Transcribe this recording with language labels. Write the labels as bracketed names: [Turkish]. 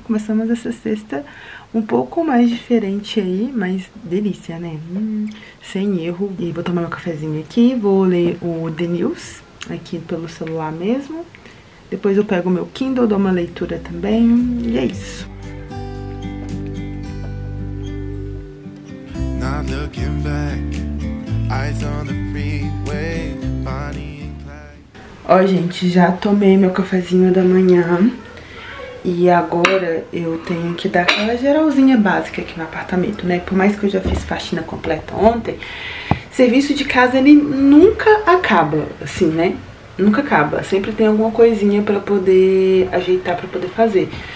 [Portuguese] Começamos essa sexta um pouco mais diferente aí, mas delícia, né? Sem erro. E vou tomar meu cafezinho aqui, vou ler o The News aqui pelo celular mesmo. Depois eu pego o meu Kindle, dou uma leitura também e é isso. [English] Not looking back, eyes on the freeway, body. [Portuguese] Ó, gente, já tomei meu cafezinho da manhã e agora eu tenho que dar aquela geralzinha básica aqui no apartamento, né? Por mais que eu já fiz faxina completa ontem, serviço de casa, ele nunca acaba, assim, né? Nunca acaba, sempre tem alguma coisinha pra poder ajeitar, pra poder fazer.